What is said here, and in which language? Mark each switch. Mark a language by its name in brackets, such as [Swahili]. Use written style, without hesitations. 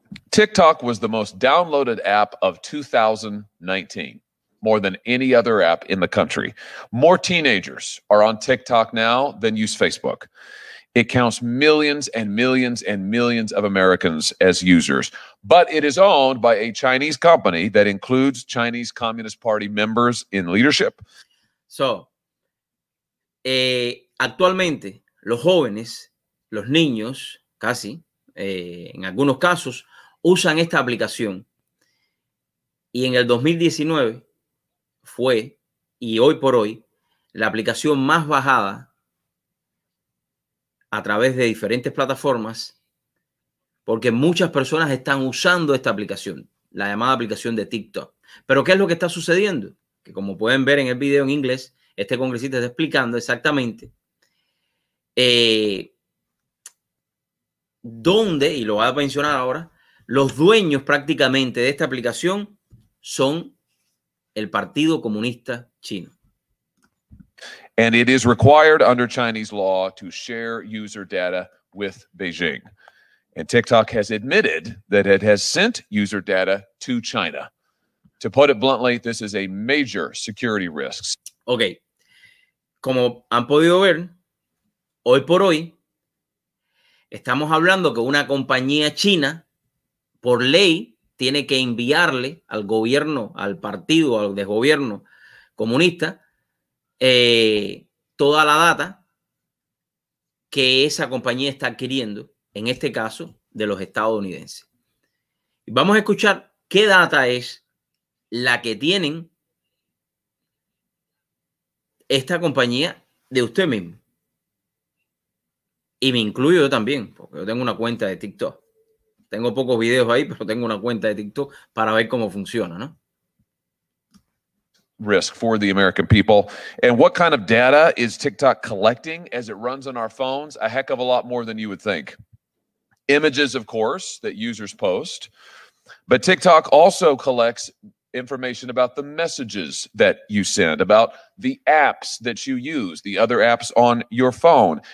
[English] TikTok was the most downloaded app of 2019, more than any other app in the country. More teenagers are on TikTok now than use Facebook. It counts millions and millions and millions of Americans as users, but it is owned by a Chinese company that includes Chinese Communist Party members in leadership. [Spanish] So, actualmente, los jóvenes, los niños, casi, en algunos casos, usan esta aplicación. Y en el 2019 fue, y hoy por hoy, la aplicación más bajada a través de diferentes plataformas, porque muchas personas están usando esta aplicación, la llamada aplicación de TikTok. Pero ¿qué es lo que está sucediendo? Que como pueden ver en el video en inglés, este congresista está explicando exactamente dónde, y lo voy a mencionar ahora, los dueños prácticamente de esta aplicación son el Partido Comunista Chino. [English] And it is required under Chinese law to share user data with Beijing. And TikTok has admitted that it has sent user data to China. To put it bluntly, this is a major security risk. Okay. [Spanish] Como han podido ver, hoy por hoy, estamos hablando que una compañía china, por ley, tiene que enviarle al gobierno, al partido, al desgobierno comunista, toda la data que esa compañía está adquiriendo, en este caso, de los estadounidenses. Vamos a escuchar qué data es la que tienen esta compañía de usted mismo. Y me incluyo yo también, porque yo tengo una cuenta de TikTok. Tengo pocos videos ahí, pero tengo una cuenta de TikTok para ver cómo funciona, ¿no? [English] Risk for the American people. And what kind of data is TikTok collecting as it runs on our phones? A heck of a lot more than you would think. Images, of course, that users post. But TikTok also collects information about the messages that you send, about the apps that you use, the other apps on your phone.